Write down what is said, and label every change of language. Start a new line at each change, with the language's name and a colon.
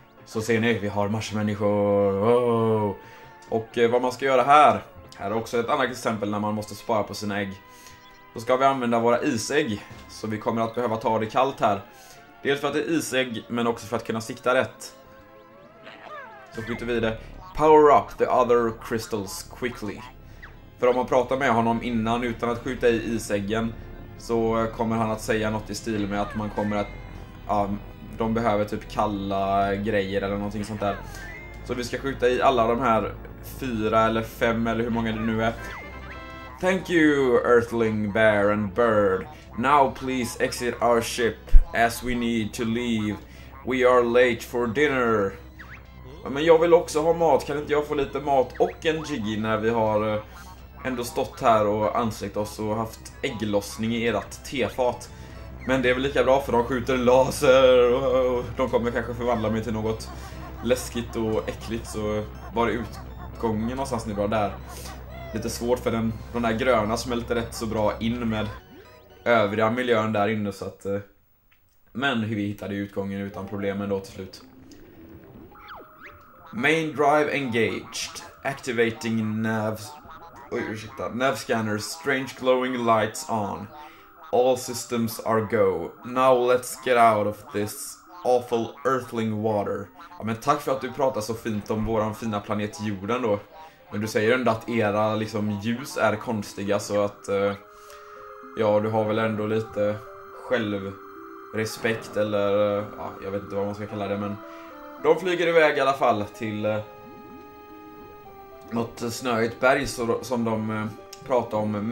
Swedish: Så ser ni, vi har marsmänniskor. Wow. Och vad man ska göra här, är också ett annat exempel när man måste spara på sina ägg. Då ska vi använda våra isägg, så vi kommer att behöva ta det kallt här. Dels för att det är isägg, men också för att kunna sikta rätt. Så skjuter vi det.
English: Power up the other crystals quickly.
Swedish: För om man pratar med honom innan utan att skjuta i isäggen, så kommer han att säga något i stil med att man kommer att, ja, de behöver typ kalla grejer eller någonting sånt där. Så vi ska skjuta i alla de här fyra eller fem eller hur många det nu är.
English: Thank you, Earthling, Bear and Bird. Now please exit our ship as we need to leave. We are late for dinner.
Swedish: Men jag vill också ha mat. Kan inte jag få lite mat och en jiggy när vi har ändå stått här och ansträckt oss och haft ägglossning i ert tefat. Men det är väl lika bra för de skjuter laser. De kommer kanske förvandla mig till något läskigt och äckligt, så var det utgången någonstans nu bra där. Lite svårt för den där gröna smälter rätt så bra in med övriga miljön där inne, så att... Men hur vi hittade utgången utan problem ändå till slut.
English: Main drive engaged. Activating navs...
Swedish: Oj, ursäkta.
English: Nav scanners. Strange glowing lights on. All systems are go. Now let's get out of this awful earthling water.
Swedish: Ja, men tack för att du pratar så fint om våran fina planet jorden då. Men du säger ändå att era liksom ljus är konstiga, så att... ja, du har väl ändå lite själv... respekt eller, ja, jag vet inte vad man ska kalla det, men de flyger iväg i alla fall till något snöigt berg som de pratar om.